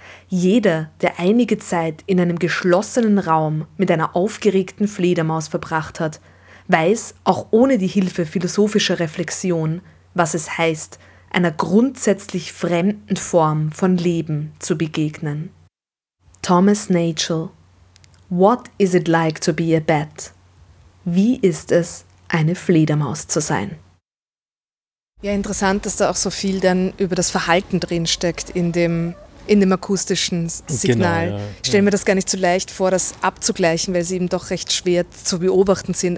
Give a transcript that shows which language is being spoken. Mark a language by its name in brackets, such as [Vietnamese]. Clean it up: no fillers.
[German] Jeder, der einige Zeit in einem geschlossenen Raum mit einer aufgeregten Fledermaus verbracht hat, weiß auch ohne die Hilfe philosophischer Reflexion, was es heißt, einer grundsätzlich fremden Form von Leben zu begegnen. [English] Thomas Nagel: What is it like to be a bat? [German] Wie ist es, eine Fledermaus zu sein? Ja, interessant, dass da auch so viel dann über das Verhalten drinsteckt in dem akustischen Signal. Genau, ja. Ich stelle mir das gar nicht so leicht vor, das abzugleichen, weil sie eben doch recht schwer zu beobachten sind.